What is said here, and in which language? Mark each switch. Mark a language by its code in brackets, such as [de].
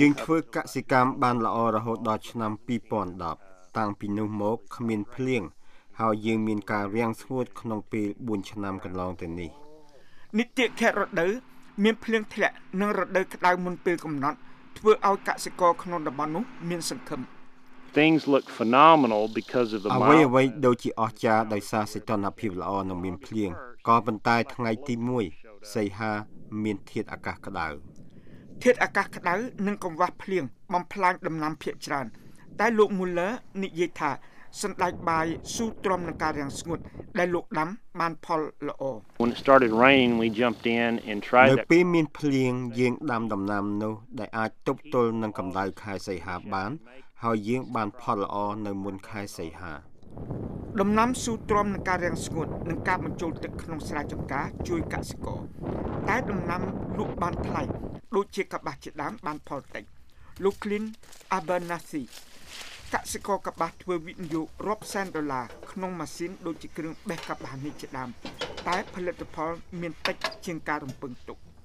[km] យើងធ្វើកសិកម្មបានល្អរហូតដល់ឆ្នាំ2010តាំងពីនោះមកគ្មានភ្លៀងហើយយើងមានការរាំងស្ងួតក្នុងពេល4ឆ្នាំកន្លងទៅនេះ និតិខរដូវមានភ្លៀងធ្លាក់និងរដូវក្តៅមុនពេលកំណត់ធ្វើឲ្យកសិករក្នុងតំបន់នោះមានសង្ឃឹម [en] Things look phenomenal because of the mild. [km] អ្វីដូចជាអស្ចារ្យដោយសារសីតុណ្ហភាពល្អនិងមានភ្លៀងក៏ប៉ុន្តែថ្ងៃទី1សីហាមានធាតុអាកាសក្តៅ ធាតុអាកាសក្តៅនិងកង្វះភ្លៀងបំផ្លាញដំណាំភាគច្រើនតែលោកមូលឺនិយាយថា សណ្ដែកបាយស៊ូទ្រាំនឹងការរាំងស្ងួតដែលលោកដាំបានផលល្អ [en] When it started raining we jumped in and tried [km] នៅពេលមានភ្លៀងយើងដាំដំណាំនោះដែលអាចទប់ទល់នឹងកម្ដៅខែសីហាបានហើយយើងបានផលល្អនៅមុនខែសីហា ដំណាំស៊ូទ្រាំនឹងការរាំងស្ងួតនិងការបញ្ចូលទឹកក្នុងស្រែចម្ការជួយកសិករតែដំណាំលក់បានថ្លៃដូចជាកបាសជាដាំបានផលតិចលោក Clean Abernathy កសិករកបាសធ្វើវិនិយោគរាប់សែនដុល្លារក្នុងម៉ាស៊ីនដូចជាគ្រឿងបេះកបាសនេះជាដាំតែផលិតផលមានតិចជាងការរំពឹងទុក